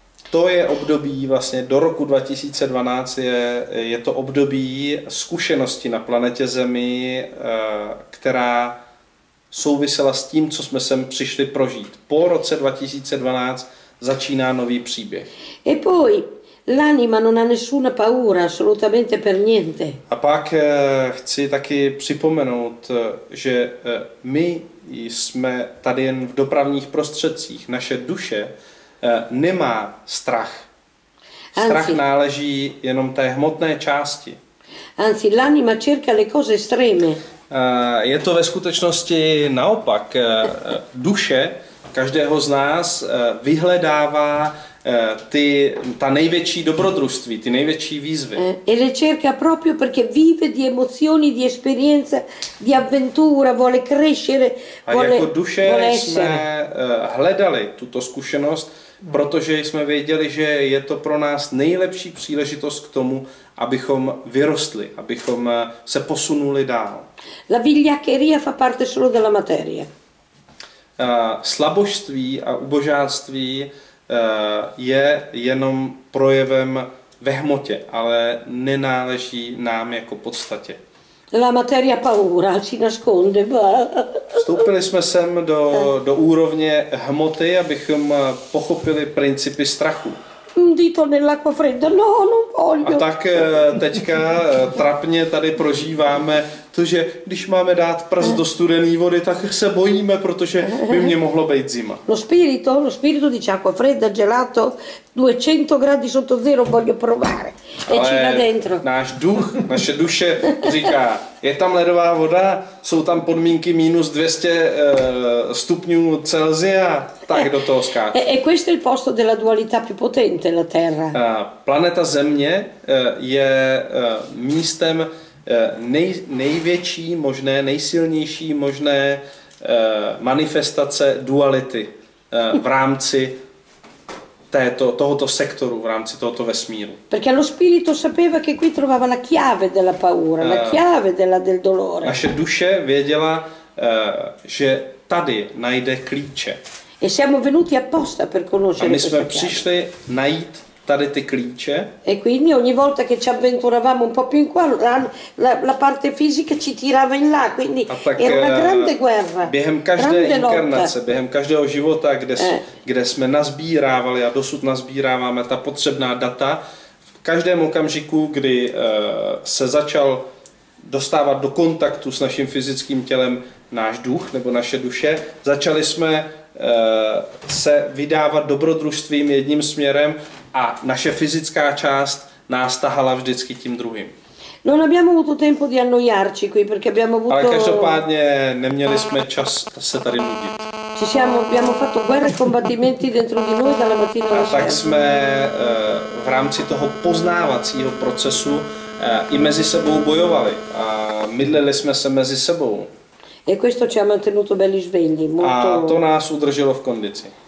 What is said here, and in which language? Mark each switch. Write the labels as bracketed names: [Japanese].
[Czech] To je období vlastně do roku 2012 je to období zkušenosti na planetě Zemi, která souvisela s tím, co jsme sem přišli prožít. Po roce 2012 začíná nový příběh. [Italian] E poi l'anima non ha nessuna paura, assolutamente per niente. [Czech] A pak chci taky připomenout, že my jsme tady jen v dopravních prostředcích. Naše duše nemá strach. Strach [Italian] anzi, [Czech] náleží jenom té hmotné části. [Italian] Anzi, l'anima cerca le cose estreme. [Czech] Je to ve skutečnosti naopak. Duše každého z nás vyhledává ta největší dobrodružství, ty největší výzvy. [Italian] E le cerca proprio perché vive di emozioni, di esperienza, di avventura, vuole crescere, vuole essere. [Czech] A jako duše jsme hledali tuto zkušenost, protože jsme věděli, že je to pro nás nejlepší příležitost k tomu, abychom vyrostli, abychom se posunuli dál. [Italian] La vigliaccheria fa parte solo della materia. [Czech] Slabožství a ubožáctví je jenom projevem ve hmotě, ale nenáleží nám jako podstatě. [Italian] La materia paura si nasconde. [Czech] Vstoupili jsme sem do úrovně hmoty, abychom pochopili principy strachu. [Italian] un dito nell'acqua fredda, no, non voglio. [Czech] A tak teďka trapně tady prožíváme to, že když máme dát prst do studené vody, tak se bojíme, protože by mě mohlo být zima. [Italian] Lo spirito dice acqua fredda, gelato, 200 gradi sotto zero, voglio provare. Ale e ci va dentro. [Czech] Náš duch, naše duše říká, je tam ledová voda, jsou tam podmínky minus 200 stupňů Celsia, tak do toho skáču. [Italian] E questo è il posto della dualità più potente, la Terra. [Czech] Planeta Země je místem největší možné, nejsilnější možné manifestace duality v rámci tohoto sektoru, v rámci tohoto vesmíru. [Italian] Perché lo spirito sapeva che qui trovava la chiave della paura, la chiave della del dolore. [Czech] Naše duše věděla, že tady najde klíče. [Italian] E siamo venuti apposta per conoscere. [Czech] A my jsme přišli najít tady ty klíče. [Italian] E quindi ogni volta che ci avventuravamo un po' più in qua, la parte fisica ci tirava in là, quindi era una grande guerra. [Czech] Během každé inkarnace, během každého života, kde jsme nazbírávali a dosud nazbíráváme ta potřebná data, v každém okamžiku, kdy se začal dostávat do kontaktu s naším fyzickým tělem náš duch nebo naše duše, začali jsme se vydávat dobrodružstvím jedním směrem a naše fyzická část nás tahala vždycky tím druhým. [Italian] Non abbiamo avuto tempo di annoiarci qui perché abbiamo avuto. [Czech] Ale každopádně neměli jsme čas se tady nudit. [Italian] Ci siamo, abbiamo fatto guerre e combattimenti dentro di noi dalla mattina alla sera. [Czech] Tak jsme v rámci toho poznávacího procesu i mezi sebou bojovali a mydlili jsme se mezi sebou. [Italian] E questo ci ha mantenuto belli svegli, molto. [Czech] A to nás udrželo v kondici.